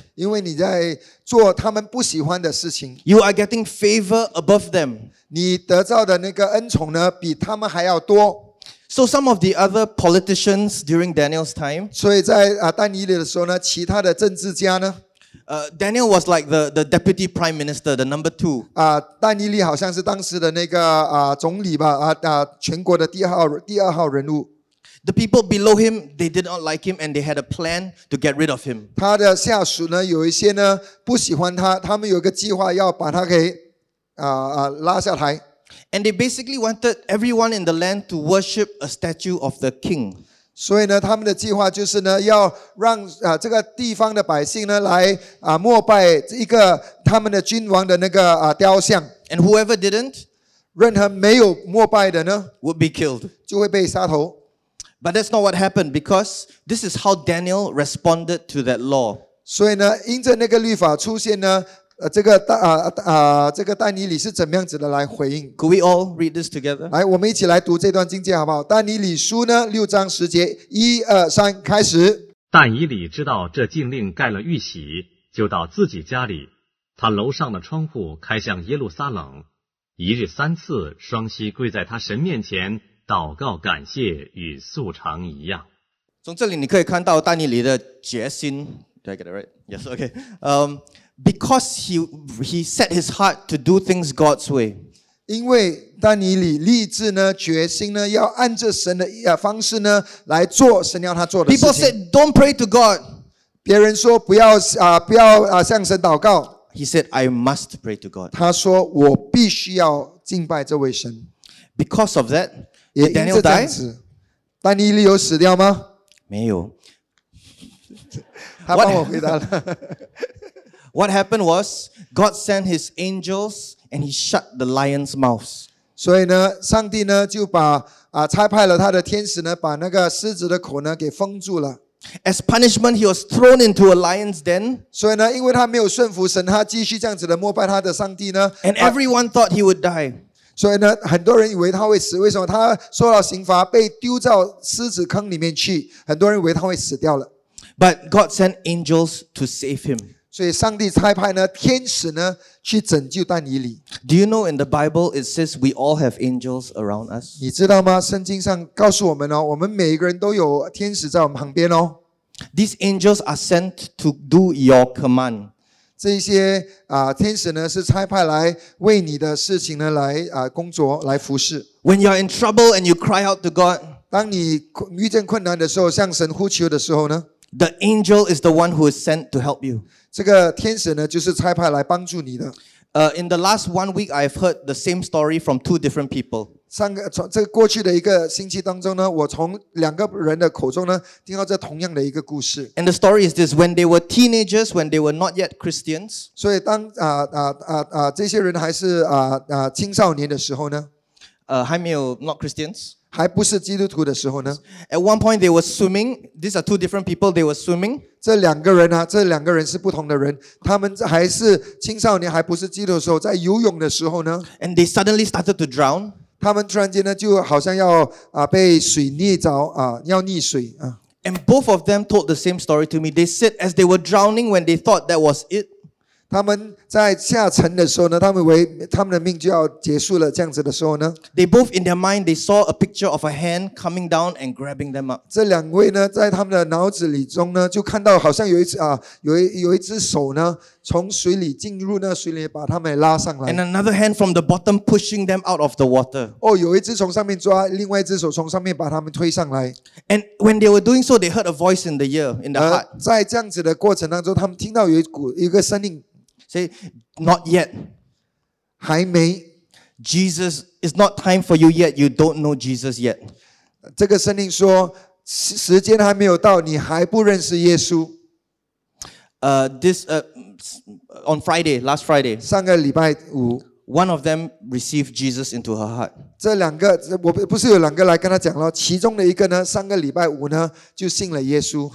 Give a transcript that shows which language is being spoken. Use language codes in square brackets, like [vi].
[zh] 因为你在做他们不喜欢的事情。 [en] You are getting favor above them. [zh] 你得到的那个恩宠呢比他们还要多。 [en] So some of the other politicians during Daniel's time. [zh] 所以在但以理的时候呢其他的政治家呢 [en] Daniel was like the deputy prime minister, the number two. [zh] 但以理好像是当时的那个总理吧全国的第二号人物。 [en] The people below him, they did not like him, and they had a plan to get rid of him. [zh] 他的下属呢，有一些呢不喜欢他，他们有个计划要把他给拉下台。 [en] And they basically wanted everyone in the land to worship a statue of the king. [zh] 所以呢，他们的计划就是呢，要让这个地方的百姓呢来膜拜一个他们的君王的那个雕像。 [en] And whoever didn't, [zh] 任何没有膜拜的呢 [en] ，would be killed. [zh] 就会被杀头。 [en] But that's not what happened, because this is how Daniel responded to that law. [zh] 所以呢，因着那个律法出现呢，这个但以理是怎么样子的来回应 [en] ？Could we all read this together? [zh] 来，我们一起来读这段经节好不好？但以理书呢，六章十节，一二三，开始。但以理知道这禁令盖了玉玺，就到自己家里，他楼上的窗户开向耶路撒冷，一日三次，双膝跪在他神面前。祷告感谢与素常一样。从这里你可以看到但以理的决心。 [en] Did I get it right? Yes, okay. Because he set his heart to do things God's way. [zh] 因为但以理立志呢，决心呢，要按着神的方式呢来做神要他做的事情。 [en] People said, "Don't pray to God." [zh] 别人说不要向神祷告。 [en] He said, "I must pray to God." [zh] 他说我必须要敬拜这位神。 [en] Because of that. [zh] 也因着这样子，但以理有死掉吗？没有。他帮我回答了。 [en] What happened was God sent His angels and He shut the lion's mouth. [zh] 所以呢，上帝呢就把差派了他的天使呢，把那个狮子的口呢给封住了。 [en] As punishment, he was thrown into a lion's den. [zh] 所以呢，因为他没有顺服神，他继续这样子的膜拜他的上帝呢。 [en] And everyone thought he would die. [zh] 所以呢，很多人以为他会死。为什么他受到刑罚，被丢到狮子坑里面去？很多人以为他会死掉了。 [en] But God sent angels to save him. [zh] 所以上帝差派呢，天使呢，去拯救但以理。 [en] Do you know in the Bible it says we all have angels around us? [zh] 你知道吗？圣经上告诉我们哦，我们每一个人都有天使在我们旁边哦。 [en] These angels are sent to do your command. [zh] 这些天使呢是差派来为你的事情呢来工作来服侍。 [en] When you're in trouble and you cry out to God, [zh] 当你遇见困难的时候向神呼求的时候呢 [en] ,the angel is the one who is sent to help you. [zh] 这个天使呢就是差派来帮助你的。 [en] In the last one week, I've heard the same story from two different people. [zh] 这过去的一个星期当中呢我从两个人的口中呢听到这同样的一个故事。 [en] And the story is this, when they were teenagers, when they were not yet Christians, [zh] 所以当这些人还是青少年的时候呢还没有 [en] not Christians, [zh] 还不是基督徒的时候呢 [en] at one point they were swimming, these are two different people, they were swimming, [zh] 这两个人啊，这两个人是不同的人。他们还是青少年，还不是基督徒的时候，在游泳的时候呢 [en] ，and they suddenly started to drown。 [zh] 他们突然间呢，就好像要被水溺着要溺水啊。 [en] And both of them told the same story to me. They said as they were drowning, when they thought that was it。 [zh] 他们在下沉的时候呢，他们以为他们的命就要结束了，这样子的时候呢 [en] ，They both in their mind they saw a picture of a hand coming down and grabbing them up。 [zh] 这两位呢，在他们的脑子里中呢，就看到好像有一只手呢，从水里进入那水里，把他们拉上来。 [en] And another hand from the bottom pushing them out of the water。 [zh] 哦，有一只从上面抓，另外一只手从上面把他们推上来。 [en] And when they were doing so, they heard a voice in the ear, in the heart。 [zh] 在这样子的过程当中，他们听到有一个声音。 [en] Say, not yet. [zh] 还没 [en] Jesus, it's not time for you yet. You don't know Jesus yet. [zh] 这个圣灵说，时间还没有到，你还不认识耶稣。 [en] On Friday, last Friday. [zh] 上个礼拜五 [en] One of them received Jesus into her heart. [zh] 这两个，我不是有两个来跟他讲了，其中的一个呢，上个礼拜五呢，就信了耶稣。